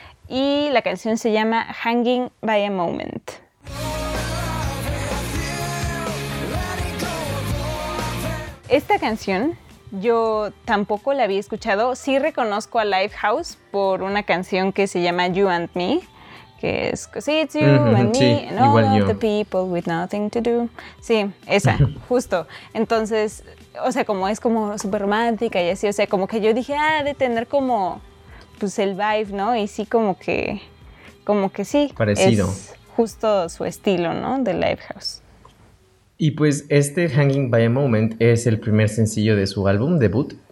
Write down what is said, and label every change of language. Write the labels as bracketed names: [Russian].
[Spanish] Y la canción se llama Hanging by a Moment. Esta canción yo tampoco la había escuchado. Sí reconozco a Lifehouse por una canción que se llama You and Me. Que es, [English] 'cause it's you and [Spanish] sí, [English] me and all the people with nothing to do. [Spanish] Sí, esa, justo. Entonces, o sea, como es como súper romántica y así, o sea, como que yo dije, ah, de tener como, pues el vibe, ¿no? Y sí, como que sí. Parecido. Es justo su estilo, ¿no? De Lifehouse. Y pues este Hanging by a Moment es el primer sencillo de su álbum debut.